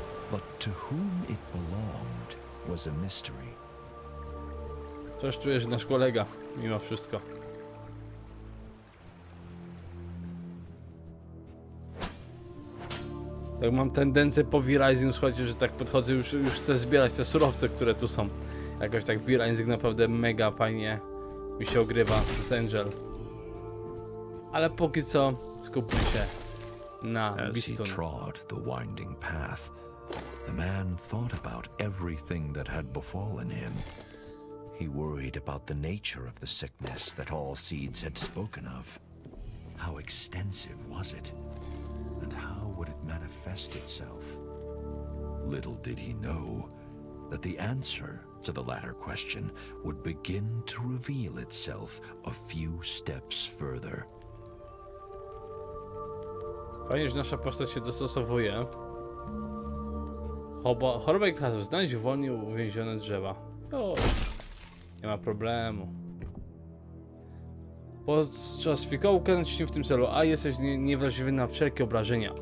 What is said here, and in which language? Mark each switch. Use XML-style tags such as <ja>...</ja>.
<en>But to whom it belonged was a mystery.</en> <pl>Coś czuję, że nasz kolega mimo wszystko. Tak mam tendencję po V-Rising, słuchajcie, że tak podchodzę, już chcę zbierać te surowce, które tu są. Jakoś tak V-Rising naprawdę mega fajnie mi się ogrywa z Angel. Ale póki co skupmy się na Bistun.</pl> <en>As he trod the winding path, the man thought about everything that had befallen him. He worried about the nature of the sickness that all seeds had spoken of. How extensive was it? And how would it manifest itself? Little did he know that the answer to the latter question would begin to reveal itself a few steps further.</en> <pl>Fajnie, że nasza postać się dostosowuje. Choroba i krasów. Znajdź wolnie uwięzione drzewa. O, nie ma problemu. Podczas fikołu kręć się w tym celu, a jesteś niewrażliwy na wszelkie obrażenia.</pl>